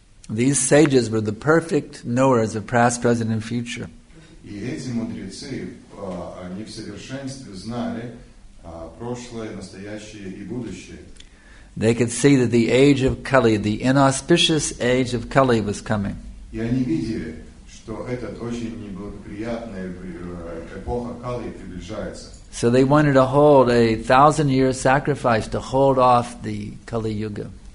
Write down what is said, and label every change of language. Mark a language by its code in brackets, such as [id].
[en] These sages were the perfect knowers of past, present, and future. [ru] И эти мудрецы, они в совершенстве знали прошлое, настоящее и будущее. [en] They could see that the age of Kali, the inauspicious age of Kali, was coming. [ru] И они видели, что эта очень неблагоприятная эпоха Кали приближается. [en] So they wanted to hold a 1,000-year sacrifice to hold off the Kali Yuga.